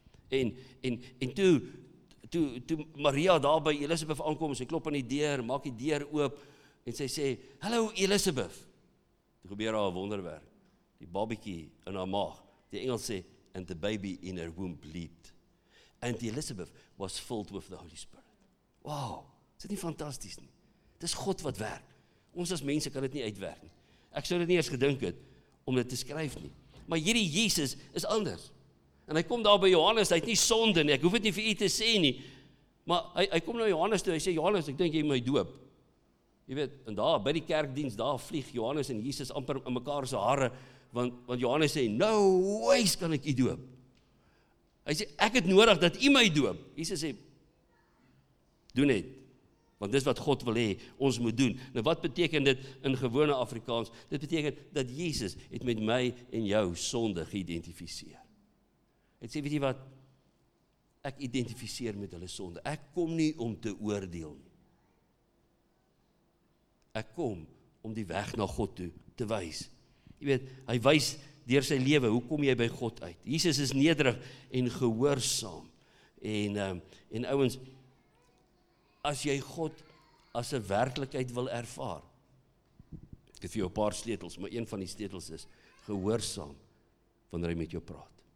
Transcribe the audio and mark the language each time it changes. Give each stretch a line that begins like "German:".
Afrikaans: En toe Maria daar by Elisabeth aankom, sy klop aan die deur, maak die deur oop, en sy sê, hallo Elisabeth, toe gebeur haar wonderwerk, die babiekie in haar maag, die engel sê,
English: and the baby in her womb leaped. And Elizabeth was filled with the Holy Spirit.
Afrikaans: Wow, is dit nie fantasties nie? Dit is God wat werk. Ons as mense kan dit nie uitwerk nie. Ek sou dit nie eers gedink het om dit te skryf nie. Maar hierdie Jesus is anders. En hy kom daar by Johannes, hy het nie sonde nie, ek hoef dit nie vir u te sê nie. Maar hy kom na Johannes toe, hy sê, Johannes, ek dink jy my doop. Jy weet, en daar by die kerkdienst, daar vlieg Johannes en Jesus amper in mekaar se hare, want Johannes sê, no ways kan ek jy doop. Hy sê, ek het nodig dat jy my doop. Jesus sê, doen het, want dis wat God wil hê, ons moet doen. Nou wat beteken dit in gewone Afrikaans? Dit beteken dat Jesus het met my en jou sonde geïdentificeer. Hy sê, weet jy wat, ek identificeer met hulle sonde. Ek kom nie om te oordeel nie. Ek kom om die weg na God toe te wys. Jy weet, hy wys deur sy lewe, hoe kom jy by God uit? Jesus is nederig en gehoorsaam. En ouens, as jy God as 'n werklikheid wil ervaar, ek het vir jou 'n paar sleutels, maar een van die sleutels is gehoorsaam wanneer hy met jou praat.